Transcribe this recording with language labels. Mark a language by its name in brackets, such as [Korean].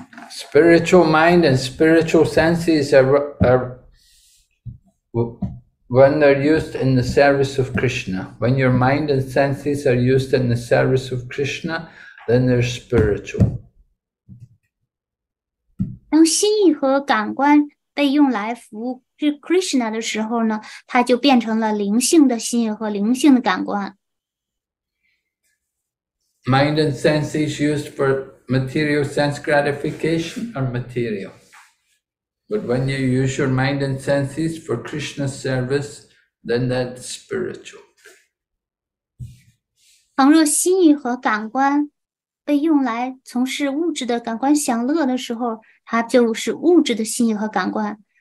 [English] Spiritual mind and spiritual senses are when they're used in the service of Krishna. When your mind and senses are used in the service of Krishna, then they're spiritual. [Chinese] 当心意和感官被用来服务是 Krishna 的时候呢，它就变成了灵性的心意和灵性的感官。 [English] Mind and senses used for material sense gratification are material. But when you use your mind and senses for Krishna's service, then that's spiritual. [Chinese] 倘若心意和感官被用来从事物质的感官享乐的时候，它就是物质的心意和感官。